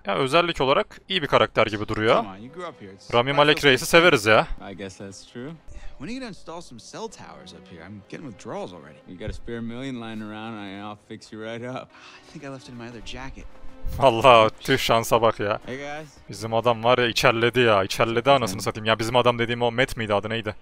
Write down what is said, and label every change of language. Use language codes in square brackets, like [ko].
[tr] Ya özellik olarak iyi bir karakter gibi duruyor. Rami Malek Reis'i severiz ya. [en] When are you gonna install some cell towers up here? I'm getting withdrawals already. You got a spare million lying around and I'll fix you right up. I think I left it in my other jacket. [tr] Allah tüh şansa bak ya. Bizim adam var ya içerledi ya. İçerledi anasını satayım. Ya bizim adam dediğim o Matt miydi adı neydi?